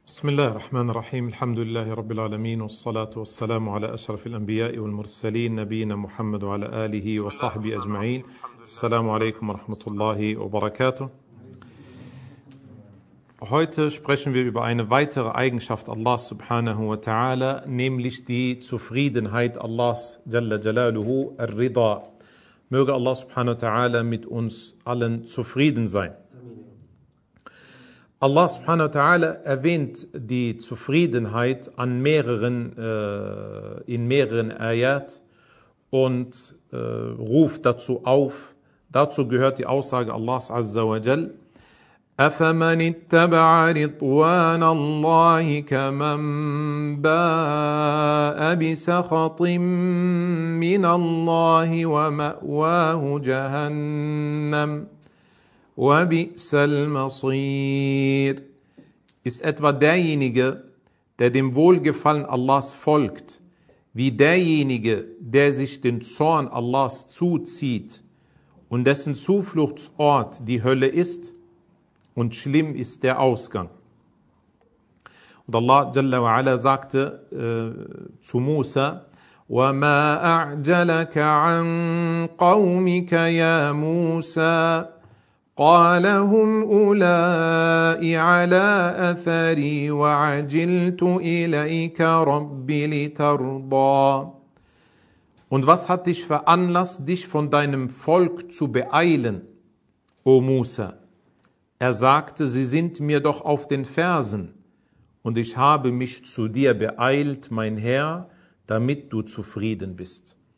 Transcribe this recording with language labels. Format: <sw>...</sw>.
<ar>بسم الله الرحمن الرحيم، الحمد لله رب العالمين، والصلاة والسلام على أشرف الأنبياء والمرسلين نبينا محمد وعلى آله وصحبه أجمعين. السلام عليكم ورحمة الله وبركاته.</ar> <de>Heute sprechen wir über eine weitere Eigenschaft Allahs subhanahu wa ta'ala, nämlich die Zufriedenheit Allahs jalla jalaluhu al-Rida. Möge Allah subhanahu wa ta'ala mit uns allen zufrieden sein. Allah subhanahu wa ta'ala erwähnt die Zufriedenheit an mehreren, in mehreren Ayat und ruft dazu auf. Dazu gehört die Aussage Allahs azza wa jal:</de> <ar>أَفَمَنِ اتَّبَعَ رِضْوَانَ اللَّهِ كَمَنْ بَاءَ بِسَخَطٍ مِّنَ اللَّهِ وَمَأْوَاهُ جَهَنَّمُ وَبِئْسَ الْمَصِيرُ.</ar> <de>Ist etwa derjenige, der dem Wohlgefallen Allahs folgt, wie derjenige, der sich den Zorn Allahs zuzieht und dessen Zufluchtsort die Hölle ist? Und schlimm ist der Ausgang. Und Allah Jalla wa Ala sagte zu Musa:</de> <ar>وَمَا أَعْجَلَكَ عَنْ قَوْمِكَ يَا مُوسَى قَالَ هُمْ أُولَاءِ عَلَىٰ أَثَرِي وَعَجِلْتُ إِلَيْكَ رَبِّ لِتَرْضَى.</ar> <de>Und was hat dich veranlasst, dich von deinem Volk zu beeilen, O Musa? Er sagte, sie sind mir doch auf den Fersen, und ich habe mich zu dir beeilt, mein Herr, damit du zufrieden bist.</de>